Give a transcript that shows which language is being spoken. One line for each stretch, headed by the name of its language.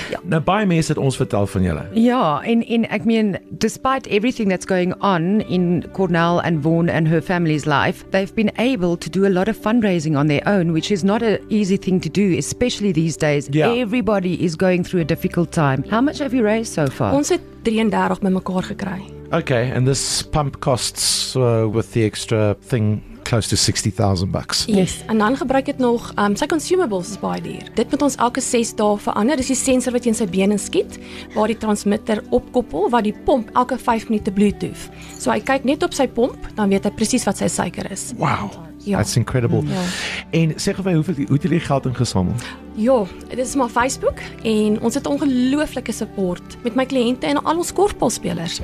Afrikaans: Nou, baie mense het ons vertel van julle. Ja, en ek meen,
English: despite everything that's going on in Cornell and Vaughan and her family's life, they've been able to do a lot of fundraising on their own, which is not an easy thing to do, especially these days. Yeah. Everybody is going through a difficult time. How much have you raised so far?
Afrikaans: Ons het 33 met mekaar gekry.
English: Okay, and this pump costs with the extra thing close to 60,000 bucks. Yes, and
Afrikaans: dan gebruik het nog, sy consumables is baie duur. Dit moet ons elke 6 dae verander. Dis die sensor wat jy in sy been inskiet, waar die transmitter opkoppel, waar die pomp elke 5 minute Bluetooth. So hy kyk net op sy pomp, dan weet hy precies wat sy suiker is.
English: Wow, ja. That's incredible.
Afrikaans: Ja. En sê gevaar, hoe het jy geld ingesamel? Ja, dit is maar Facebook, en ons het ongelooflike support met my kliënte en al ons korfbalspelers.